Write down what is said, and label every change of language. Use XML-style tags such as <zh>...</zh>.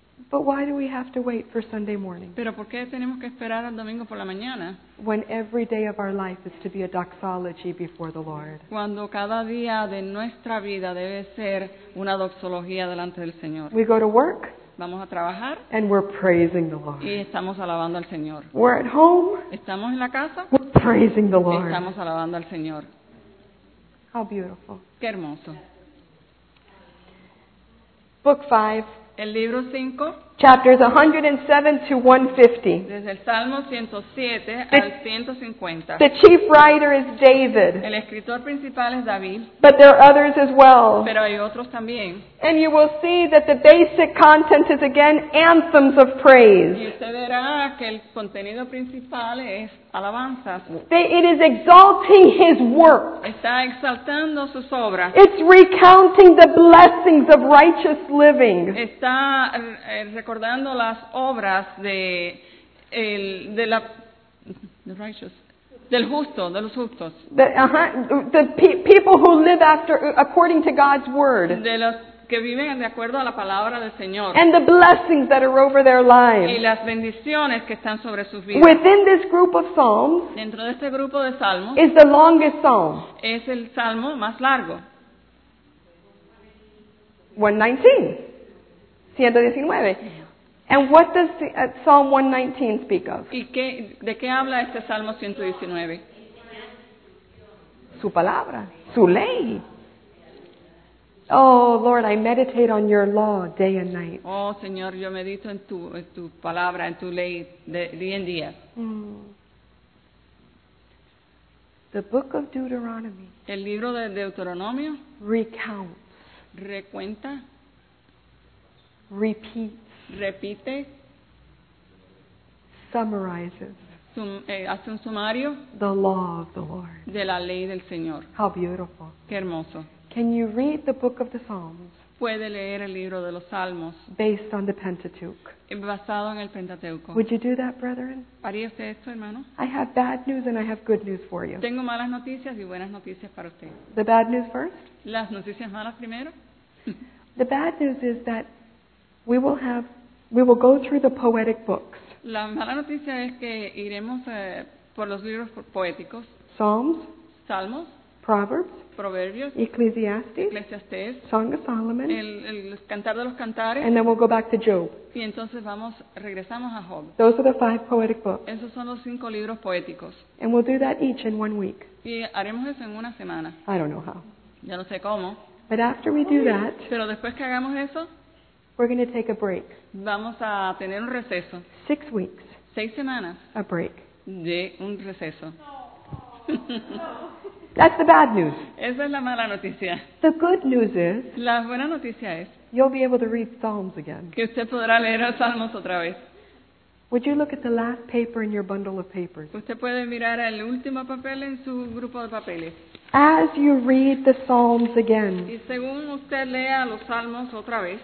<en>But why do we have to wait for Sunday morning?</en> <es>Pero ¿por qué tenemos que esperar al domingo por la mañana?</es> <en>When every day of our life is to be a doxology before the Lord.</en> <es>Cuando cada día de nuestra vida debe ser una doxología delante del Señor.</es> <en>We go to work.</en> <es>Vamos a trabajar.</es> <en>And we're praising the Lord.</en> <es>Y estamos alabando al Señor.</es> <en>We're at home.</en> <es>Estamos en la casa.</es> <en>We're praising the Lord.</en> <es>Estamos alabando al Señor.</es> <en>How beautiful.</en> <es>Qué hermoso.</es> <en>Book 5.</en> <es>El libro 5,</es> <en>chapters 107 to 150.</en> <es>Desde el Salmo 107 al 150.</es> <en>The chief writer is David.</en> <es>El escritor principal es David.</es> <en>But there are others as well.</en> <es>Pero hay otros también.</es> <en>And you will see that the basic content is again anthems of praise.</en> <es>Y usted verá que el contenido principal es alabanzas.</es> <en>It is exalting his work.</en> <es>Está exaltando sus obras.</es> <en>It's recounting the blessings of righteous living.</en> <es>Está recordando las obras de los justos.</es> <en>The people who live after according to God's word.</en> <es>De los que viven de acuerdo a la palabra del Señor.</es> <en>And the blessings that are over their lives.</en> <es>Y las bendiciones que están sobre sus vidas.</es> <en>Within this group of psalms.</en> <es>Dentro de este grupo de salmos.</es> <en>Is the longest psalm.</en> <es>Es el salmo más largo.</es> <en>119. 119. And what does Psalm 119 speak of?</en> <es>¿Y de qué habla este Salmo 119? Su palabra, su ley.</es> <en>Oh, Lord, I meditate on your law day and night.</en> <es>Oh, Señor, yo medito en tu palabra, en tu ley, día en día.</es> <en>The book of Deuteronomy.</en> <es>El libro de Deuteronomio.</es> <en>Recounts.</en> <es>Recuenta.</es> <en>Repeats.</en> <es>Repite.</es> <en>Summarizes.</en> <es>Hace un sumario.</es> <en>The law of the Lord.</en> <es>De la ley del Señor.</es> <en>How beautiful.</en> <es>Qué hermoso.</es> <en>Can you read the book of the Psalms?</en> <es>Puede leer el libro de los Salmos.</es> <en>Based on the Pentateuch.</en> <es>Basado en el Pentateuco.</es> <en>Would you do that, brethren?</en> <es>¿Haría usted esto, hermano?</es> <en>I have bad news and I have good news for you.</en> <es>Tengo malas noticias y buenas noticias para usted.</es> <en>The bad news first?</en> <es>Las noticias malas primero.</es> <en>The bad news is that we will go through the poetic books.</en> <es>La mala noticia es que iremos por los libros poéticos.</es> <en>Psalms.</en> <es>Salmos.</es> <en>Proverbs.</en> <es>Proverbios.</es> <en>Ecclesiastes.</en> <es>Ecclesiastes.</es> <en>Song of Solomon.</en> <es>El cantar de los cantares.</es> <en>And then we'll go back to Job.</en> <es>Y entonces regresamos a Job.</es> <en>Those are the five poetic books.</en> <es>Esos son los cinco libros poéticos.</es> <en>And we'll do that each in 1 week.</en> <es>Y haremos eso en una semana.</es> <en>I don't know how.</en> <es>Ya no sé cómo.</es> <en>But after we do that.</en> <es>Pero después que hagamos eso.</es> <en>We're going to take a break.</en> <es>Vamos a tener un receso.</es> <en>6 weeks.</en> <es>6 semanas.</es> <en>A break.</en> <es>De un receso.</es> <en>That's the bad news.</en> <es>Esa es la mala noticia.</es> <en>The good news is.</en> <es>La buena noticia es.</es> <en>You'll be able to read Psalms again.</en> <es>Que usted podrá leer los Salmos otra vez.</es> <en>Would you look at the last paper in your bundle of papers?</en> <es>Usted puede mirar el último papel en su grupo de papeles.</es> <en>As you read the Psalms again,</en> <es>y según usted lea los Salmos otra vez,</es>